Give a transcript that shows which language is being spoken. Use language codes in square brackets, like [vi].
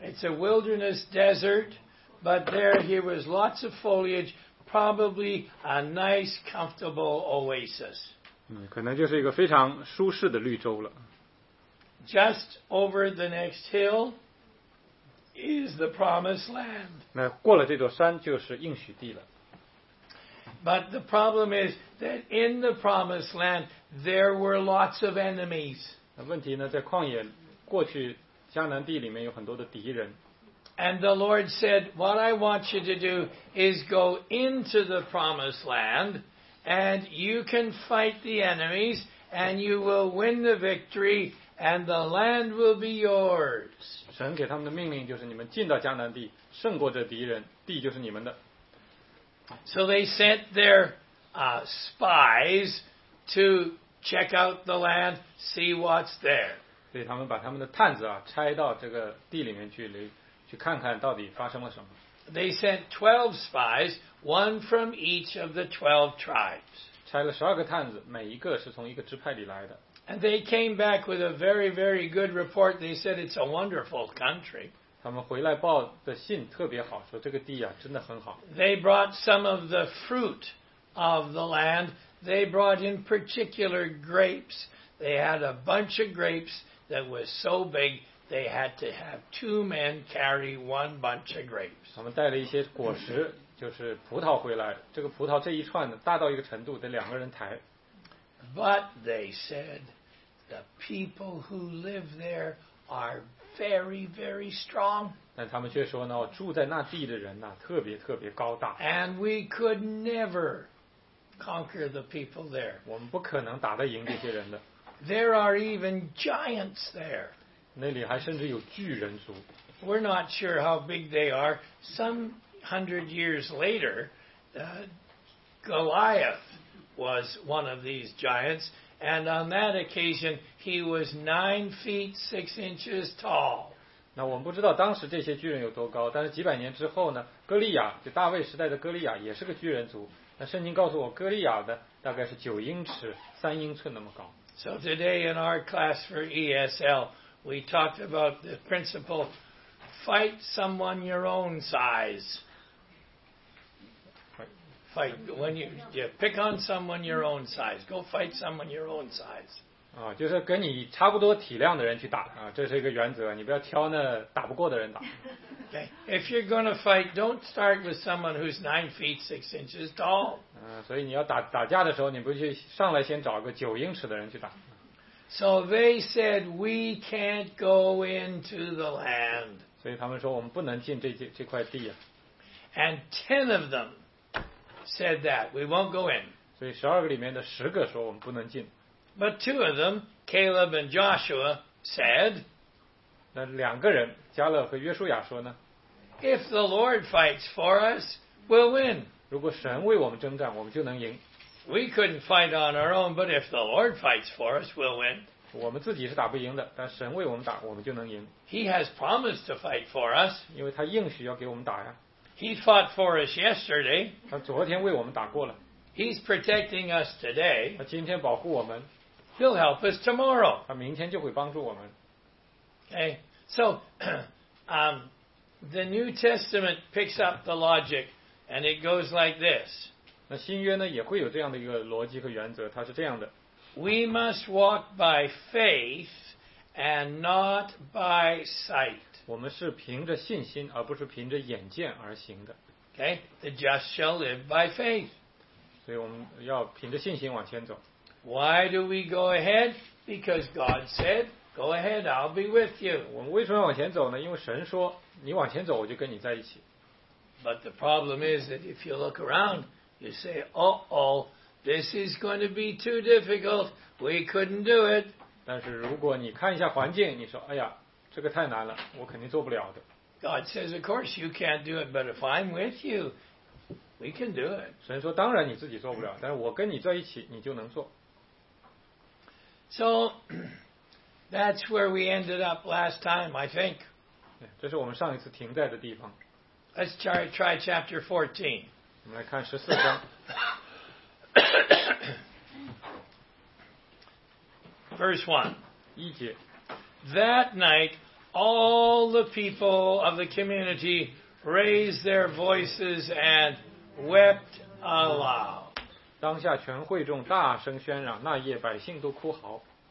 [en] It's a wilderness desert, but there was lots of foliage, probably a nice, comfortable oasis. [zh] 可能就是一个非常舒适的绿洲了。 [en] Just over the next hill. Is the promised land. [zh] 那过了这座山就是应许地了。 [en] But the problem is that in the promised land there were lots of enemies. [zh] 那问题呢，在旷野过去迦南地里面有很多的敌人。 [en] And the Lord said, "What I want you to do is go into the promised land, and you can fight the enemies, and you will win the victory." And the land will be yours. [zh] 神给他们的命令就是你们进到迦南地，胜过这敌人，地就是你们的。 [en] So they sent their spies to check out the land, see what's there. [zh] 所以他们把他们的探子啊，拆到这个地里面去，去看看到底发生了什么。 [en] They sent 12 spies, one from each of the 12 tribes. [zh] 拆了十二个探子，每一个是从一个支派里来的。 [en] And they came back with a very, very good report. They said it's a wonderful country. [zh] 他们回来报的信特别好，说这个地啊真的很好。 [en] They brought some of the fruit of the land. They brought in particular grapes. They had a bunch of grapes that was so big they had to have two men carry one bunch of grapes. [zh] 他们带了一些果实，就是葡萄回来。这个葡萄这一串呢，大到一个程度得两个人抬。 [en] But they said, the people who live there are very, very strong. [zh] 但他们却说呢，住在那地的人呢，特别特别高大。 [en] And we could never conquer the people there. [zh] 我们不可能打得赢这些人的。 [en] There are even giants there. [zh] 那里还甚至有巨人族。 [en] We're not sure how big they are. Some hundred years later, Goliath. Was one of these giants, and on that occasion he was 9 feet 6 inches tall. [zh] 那我们不知道当时这些巨人有多高，但是几百年之后呢，哥利亚就大卫时代的哥利亚也是个巨人族。那圣经告诉我，哥利亚的大概是9英尺3英寸那么高。 [en] So today in our class for ESL, we talked about the principle: fight someone your own size. Fight when you pick on someone your own size. Go fight someone your own size. [zh] 啊，就是跟你差不多体量的人去打啊，这是一个原则。你不要挑那打不过的人打。 [en] Okay, if you're going to fight, don't start with someone who's 9 feet 6 inches tall. [zh] 所以你要打架的时候，你不去上来先找个9英尺的人去打。 [en] So they said we can't go into the land. [zh] 所以他们说我们不能进这块地啊。 [en] And 10 of them. Said that we won't go in. [zh] 所以十二个里面的十个说我们不能进。 [en] But two of them, Caleb and Joshua, said. [zh] 那两个人，加勒和约书亚说呢 [en] ？If the Lord fights for us, we'll win. [zh] 如果神为我们征战，我们就能赢。 [en] We couldn't fight on our own, but if the Lord fights for us, we'll win. [zh] 我们自己是打不赢的，但神为我们打，我们就能赢。 [en] He has promised to fight for us. [zh] 因为他应许要给我们打呀。 [en] He fought for us yesterday. [zh] 他昨天为我们打过了。 [en] He's protecting us today. [zh] 他今天保护我们。 [en] He'll help us tomorrow. [zh] 他明天就会帮助我们。 [en] Okay, so the New Testament picks up the logic, and it goes like this. [zh] 那新约呢也会有这样的一个逻辑和原则，它是这样的。 [en] We must walk by faith and not by sight. [zh] 我们是凭着信心，而不是凭着眼见而行的。 [en] Okay, the just shall live by faith. [zh] 所以我们要凭着信心往前走。 [en] Why do we go ahead? Because God said, "Go ahead, I'll be with you." [zh] 我们为什么往前走呢？因为神说，你往前走，我就跟你在一起。 [en] But the problem is that if you look around, They say, uh-oh, this is going to be too difficult. We couldn't do it. [zh] 但是如果你看一下环境，你说，哎呀，这个太难了，我肯定做不了的。 [en] God says, of course you can't do it, but if I'm with you, we can do it. [zh] 神说，当然你自己做不了，但是我跟你在一起，你就能做。 [en] So, that's where we ended up last time, I think. [zh] 这是我们上一次停在的地方。 [en] Let's try chapter 14. [zh] 我们来看14章。 [en] Verse 1. [zh] 一节。 [en] That night, all the people of the community raised their voices and wept aloud. [zh] 当下全会众大声喧嚷，那夜百姓都哭嚎。